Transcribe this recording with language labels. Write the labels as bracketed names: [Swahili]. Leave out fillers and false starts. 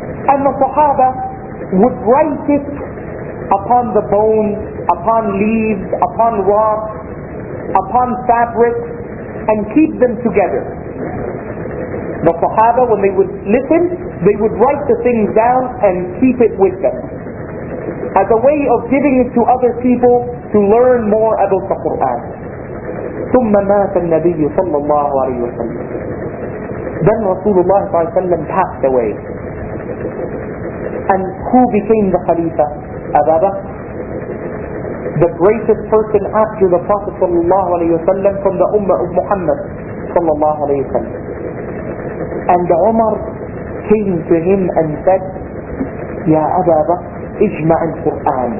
[English] And the Sahaba would write it upon the bone, upon leaves, upon rocks, upon fabric, and keep them together. The Sahaba, when they would listen, they would write the things down and keep it with them as a way of giving it to other people to learn more about the Qur'an. [Arabic] ثُمَّ مَاتَ النَّبِيُّ صَلَّى اللَّهُ عَلَيْهِ وَسَلَّمُ [English] Then Rasulullah ﷺ passed away. And who became the Khalifa? Abu Bakr. The greatest person after the Prophet ﷺ from the Ummah of Muhammad ﷺ. And Umar came to him and said, [Arabic] Ya Aba Bakr, ijma' al-Qur'an.